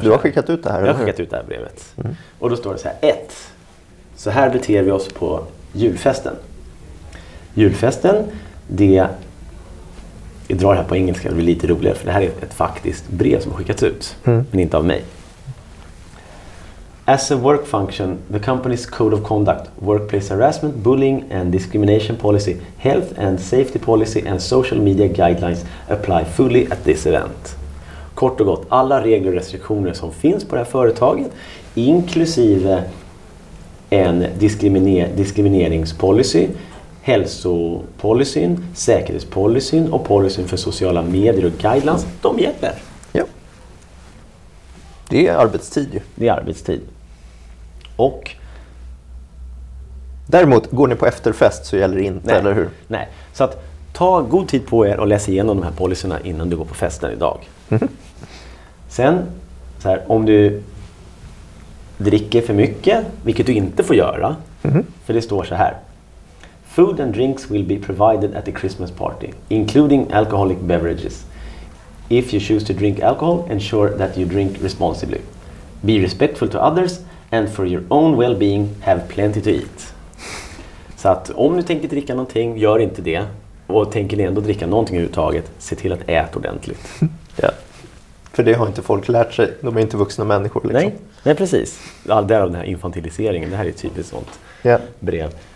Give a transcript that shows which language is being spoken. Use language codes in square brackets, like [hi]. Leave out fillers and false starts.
[sv] du har skickat ut det här. Jag har skickat ut det här brevet. Och då står det så här: 1. Så här beter vi oss på julfesten. Julfesten, det... Jag drar det här på engelska, det blir lite roligare. För det här är ett faktiskt brev som har skickats ut. Men inte av mig. [en] As a work function, the company's code of conduct, workplace harassment, bullying and discrimination policy, health and safety policy and social media guidelines apply fully at this event. [sv] Kort och gott, alla regler och restriktioner som finns på det här företaget, inklusive en diskrimineringspolicy, hälsopolicyn, säkerhetspolicyn och policyn för sociala medier och guidelines, de gäller. Ja. Det är arbetstid ju. Det är arbetstid. Och däremot, går ni på efterfest så gäller det inte, nej, eller hur? Nej, så att ta god tid på er och läs igenom de här policyerna innan du går på festen idag. Sen, så här, om du dricker för mycket, vilket du inte får göra, för det står så här: [en] Food and drinks will be provided at the Christmas party, including alcoholic beverages. If you choose to drink alcohol, ensure that you drink responsibly. Be respectful to others, and for your own well-being, have plenty to eat. [sv] Så att om du tänker dricka någonting, gör inte det. Och tänker ni ändå dricka någonting överhuvudtaget, se till att äta ordentligt. Ja. För det har inte folk lärt sig. De är inte vuxna människor liksom. Nej, nej, precis. All där av den här infantiliseringen. Det här är ett typiskt sånt brev.